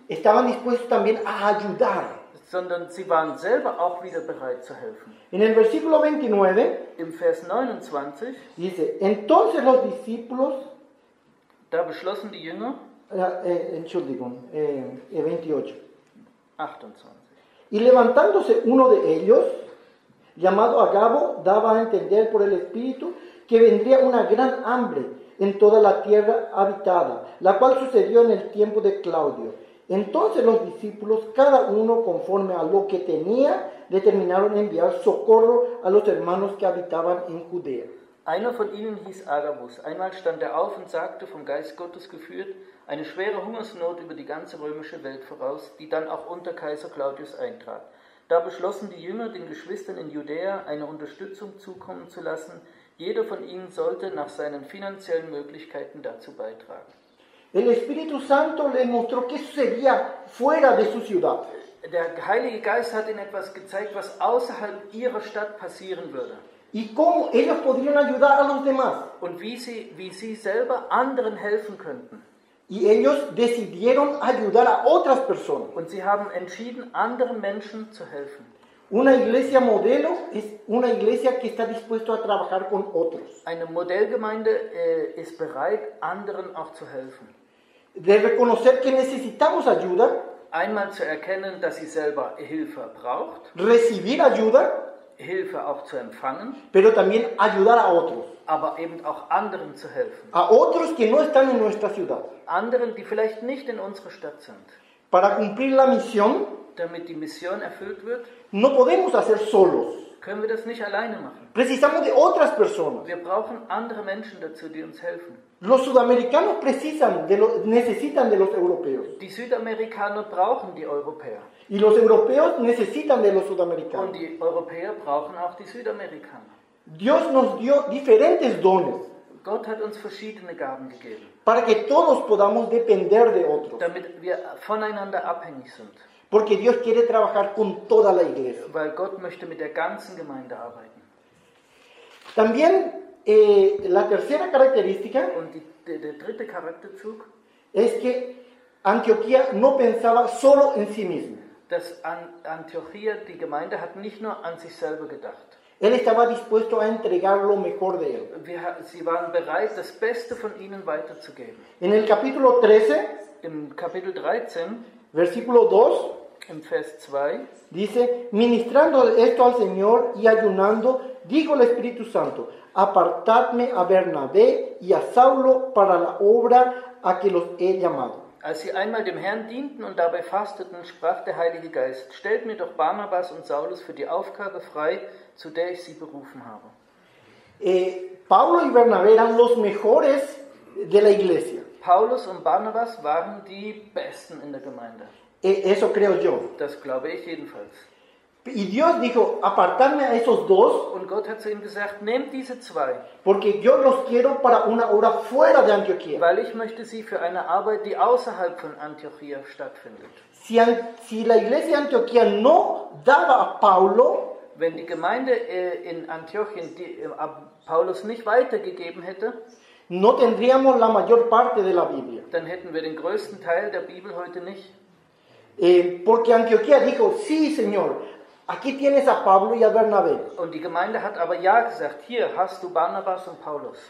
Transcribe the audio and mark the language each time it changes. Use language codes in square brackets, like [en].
[es] estaban dispuestos también a ayudar, [de] sondern sie waren selber auch wieder bereit zu helfen. [es] En el versículo 29, [de] im Vers 29, [es] dice, entonces los discípulos, [de] da beschlossen die Jünger, Entschuldigung, 28, [es] y levantándose uno de ellos, llamado Agabo, daba a entender por el Espíritu que vendría una gran hambre en toda la tierra habitada, la cual sucedió en el tiempo de Claudio. Entonces los discípulos, cada uno conforme a lo que tenía, determinaron enviar socorro a los hermanos que habitaban en Judea. [de] Einer von ihnen hieß Agabus. Einmal stand er auf und sagte, vom Geist Gottes geführt, eine schwere Hungersnot über die ganze römische Welt voraus, die dann auch unter Kaiser Claudius eintrat. Da beschlossen die Jünger, den Geschwistern in Judäa eine Unterstützung zukommen zu lassen. Jeder von ihnen sollte nach seinen finanziellen Möglichkeiten dazu beitragen. [es] El Espíritu Santo le mostró qué sucedía fuera de su ciudad. [de] Der Heilige Geist hat ihnen etwas gezeigt, was außerhalb ihrer Stadt passieren würde. [es] Y cómo ellos podrían ayudar a los demás. [de] Und wie sie selber anderen helfen könnten. [es] Y ellos decidieron ayudar a otras personas. [de] Und sie haben entschieden, anderen Menschen zu helfen. [es] Una iglesia modelo es una iglesia que está dispuesto a trabajar con otros. [de] Eine Modellgemeinde ist bereit, anderen auch zu helfen. [es] De reconocer que necesitamos ayuda. [de] Einmal zu erkennen, dass sie selber Hilfe braucht. [es] Recibir ayuda. [de] Hilfe auch zu empfangen. [es] Pero también ayudar a otros. [de] Aber eben auch anderen zu helfen. [es] A otros que no están en nuestra ciudad. [de] Anderen, die vielleicht nicht in unserer Stadt sind. [es] Para cumplir la misión. [de] Damit die Mission erfüllt wird. [es] No podemos hacer solos. [de] Können wir das nicht alleine machen. [es] Precisamos de otras personas. [de] Wir brauchen andere Menschen dazu, die uns helfen. [es] Los sudamericanos necesitan de los europeos. [de] Die Südamerikaner brauchen die Europäer. [es] Y los europeos necesitan de los sudamericanos. [de] Und die Europäer brauchen auch die Südamerikaner. [es] Dios nos dio diferentes dones. [de] Gott hat uns verschiedene Gaben gegeben. [es] Para que todos podamos depender de otros. [de] Damit wir voneinander abhängig sind. [es] Porque Dios quiere trabajar con toda la iglesia. [de] Weil Gott möchte mit der ganzen Gemeinde arbeiten. [es] También la tercera característica. [de] Und der dritte Charakterzug. [es] Es que Antioquía no pensaba solo en sí mismo. [de] Dass Antioquía, die Gemeinde, hat nicht nur an sich selber gedacht. [es] Él estaba dispuesto a entregar lo mejor de él. [de] Sie waren bereit, das Beste von ihnen weiterzugeben. [es] En el capítulo 13. [de] Im Kapitel 13. [es] Versículo 2, [de] en Vers 2, [es] dice, ministrando esto al Señor y ayunando, dijo el Espíritu Santo, apartadme a Bernabé y a Saulo para la obra a que los he llamado. [de] Als sie einmal dem Herrn dienten und dabei fasteten, sprach der Heilige Geist, stellt mir doch Barnabas und Saulus für die Aufgabe frei, zu der ich sie berufen habe. [es] Paulo y Bernabé eran los mejores de la iglesia. [de] Paulus und Barnabas waren die Besten in der Gemeinde. [es] Eso creo yo. [de] Das glaube ich jedenfalls. [es] Y Dios dijo, apartadme a esos dos. [de] Und Gott hat zu ihm gesagt, nehmt diese zwei. [es] Porque yo los quiero para una obra fuera de Antioquía. [de] Weil ich möchte sie für eine Arbeit, die außerhalb von Antioquía stattfindet. [es] Si la iglesia de Antioquía no daba a Paulo, [de] wenn die Gemeinde in Antiochien Paulus nicht weitergegeben hätte, [es] no tendríamos la mayor parte de la Biblia. [de] Dann hätten wir den größten Teil der Bibel heute nicht. [es] Porque Antioquía dijo, sí, Señor, aquí tienes a Pablo y a Bernabé. [de] Und die Gemeinde hat aber ja gesagt, hier hast du Barnabas und Paulus.